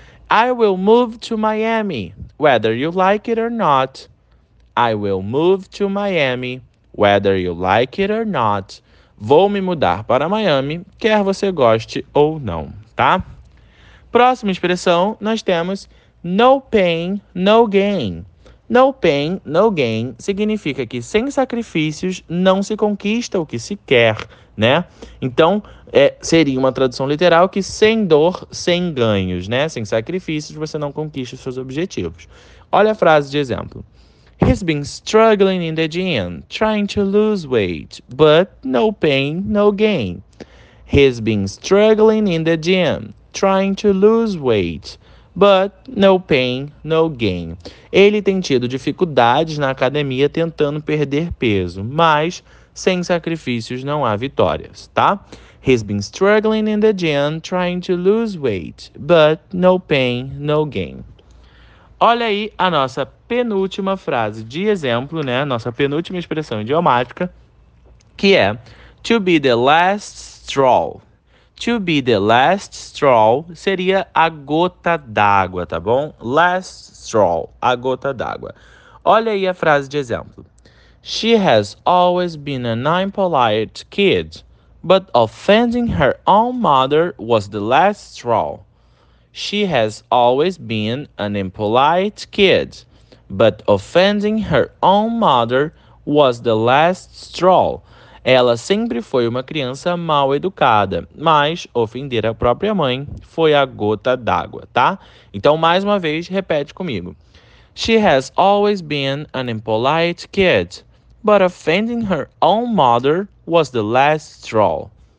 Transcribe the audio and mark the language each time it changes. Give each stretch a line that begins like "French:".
English: I will move to Miami, whether you like it or not. I will move to Miami, whether you like it or not.
Portuguese: Vou me mudar para Miami, quer você goste ou não, tá? Próxima expressão, nós temos
English: no pain, no gain. No pain, no gain
Portuguese: significa que sem sacrifícios não se conquista o que se quer, né? Então, seria uma tradução literal que sem dor, sem ganhos, né? Sem sacrifícios você não conquista os seus objetivos. Olha a frase de exemplo.
English: He's been struggling in the gym, trying to lose weight, but no pain, no gain. He's been struggling in the gym, trying to lose weight. But no pain, no gain.
Portuguese: Ele tem tido dificuldades na academia tentando perder peso, mas sem sacrifícios não há vitórias, tá?
English: He's been struggling in the gym trying to lose weight, but no pain, no gain.
Portuguese: Olha aí a nossa penúltima frase de exemplo, né? Nossa penúltima expressão idiomática, que é
English: to be the last straw. To be the last straw
Portuguese: seria a gota d'água, tá bom?
English: Last straw,
Portuguese: a gota d'água. Olha aí a frase de exemplo.
English: She has always been an impolite kid, but offending her own mother was the last straw. She has always been an impolite kid, but offending her own mother was the last straw.
Portuguese: Ela sempre foi uma criança mal educada, mas ofender a própria mãe foi a gota d'água, tá? Então, mais uma vez, repete comigo.
English: She has always been an impolite kid, but offending her own mother was the last straw.